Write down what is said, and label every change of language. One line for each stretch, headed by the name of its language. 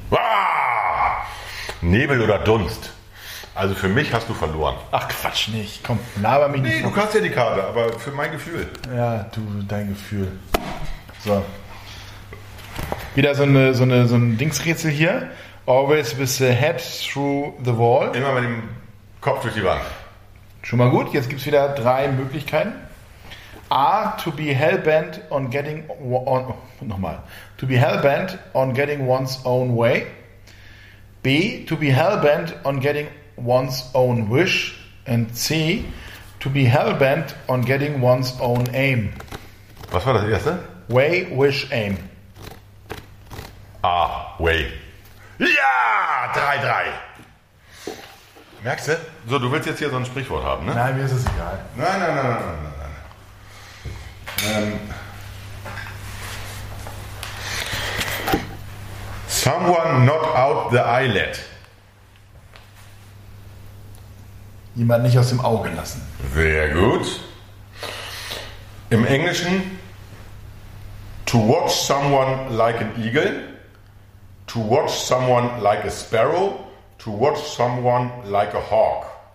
German: Ah! Nebel oder Dunst? Also für mich hast du verloren. Ach Quatsch nicht. Komm, laber mich nicht. Nee, du kannst ja die Karte, aber für mein Gefühl. Ja, du, dein Gefühl. So. Wieder so ein Dingsrätsel hier.
English: Always with the head through the wall.
German: Immer mit dem Kopf durch die Wand. Schon mal gut, jetzt gibt es wieder drei Möglichkeiten.
English: A, to be hellbent on getting on,
German: nochmal.
English: To be hellbent on getting one's own way. B, to be hellbent on getting one's own wish. And C, to be hellbent on getting one's own aim.
German: Was war das erste?
English: Way, wish, aim.
German: A, way. Ja, 3-3. Merkst du? So, du willst jetzt hier so ein Sprichwort haben, ne? Nein, mir ist es egal. Nein.
English: Someone not out the eyelet.
German: Jemand nicht aus dem Auge lassen. Sehr gut. Im Englischen
English: to watch someone like an eagle, to watch someone like a sparrow, to watch someone like a hawk.